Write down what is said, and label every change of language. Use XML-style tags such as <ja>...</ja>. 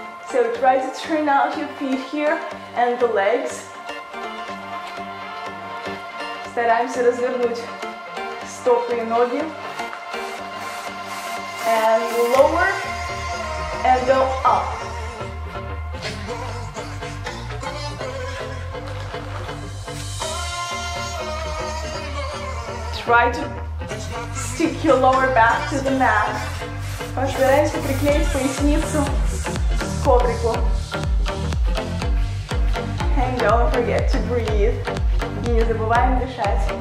<en>So try to turn out your feet here and the legs.</en> <ru>Стараемся развернуть стопы и ноги.</ru> <en>And lower and go up. Try to stick your lower back to the mat.</en> <ru>Постараемся приклеить поясницу к коврику.</ru> <en>And don't forget to breathe.</en> <ru>И не забываем дышать.</ru>